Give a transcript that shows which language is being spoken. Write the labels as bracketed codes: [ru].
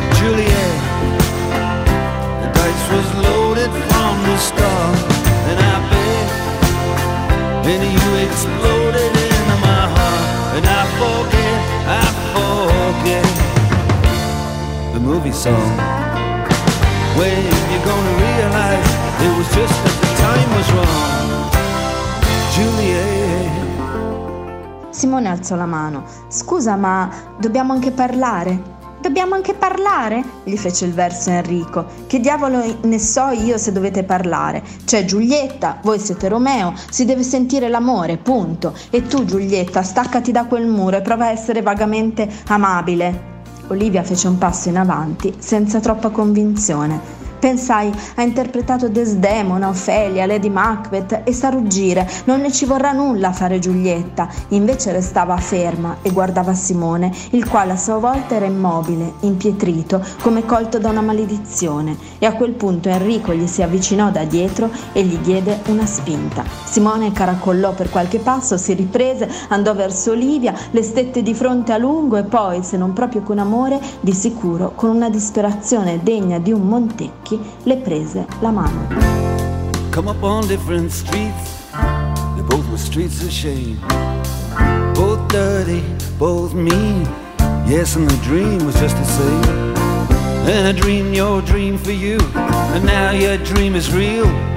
[en] Juliet, the dice was loaded from the start, and I bet any you exploded into my heart. And I forget the movie song. When you gonna realize it was just that the time was wrong, Juliet. [it] Simone alzò la mano. «Scusa, ma dobbiamo anche parlare?» «Dobbiamo anche parlare?» gli fece il verso Enrico. «Che diavolo ne so io se dovete parlare? C'è Giulietta, voi siete Romeo, si deve sentire l'amore, punto. E tu, Giulietta, staccati da quel muro e prova a essere vagamente amabile.» Olivia fece un passo in avanti senza troppa convinzione. Pensai, ha interpretato Desdemona, Ofelia, Lady Macbeth e sa ruggire, non ne ci vorrà nulla a fare Giulietta. Invece restava ferma e guardava Simone, il quale a sua volta era immobile, impietrito, come colto da una maledizione. E a quel punto Enrico gli si avvicinò da dietro e gli diede una spinta. Simone caracollò per qualche passo, si riprese, andò verso Olivia, le stette di fronte a lungo e poi, se non proprio con amore, di sicuro con una disperazione degna di un Montecchio, le prese la mano. [en] Come up on different streets, they both were streets of shame, both dirty, both mean, yes, and the dream was just the same. And I dreamed your dream for you, and now your dream is real.